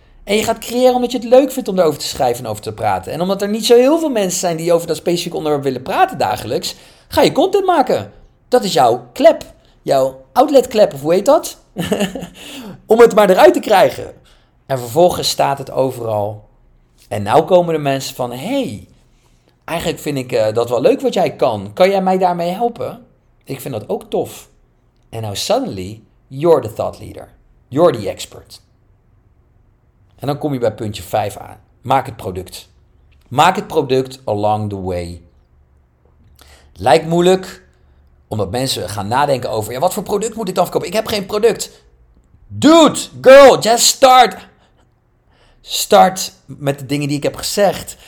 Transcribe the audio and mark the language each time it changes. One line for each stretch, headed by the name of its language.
Dutch: En je gaat creëren omdat je het leuk vindt om erover te schrijven en over te praten. En omdat er niet zo heel veel mensen zijn die over dat specifieke onderwerp willen praten dagelijks, ga je content maken. Dat is jouw klep. Jouw outletklep, of hoe heet dat? Om het maar eruit te krijgen. En vervolgens staat het overal. En nou komen de mensen van, hey, eigenlijk vind ik dat wel leuk wat jij kan. Kan jij mij daarmee helpen? Ik vind dat ook tof.
English: En now suddenly, you're the thought leader. You're the expert.
Dutch: En dan kom je bij puntje 5 aan. Maak het product. Maak het product along the way. Lijkt moeilijk, omdat mensen gaan nadenken over, ja, wat voor product moet ik dan verkopen? Ik heb geen product. Dude, girl, just start. Start met de dingen die ik heb gezegd.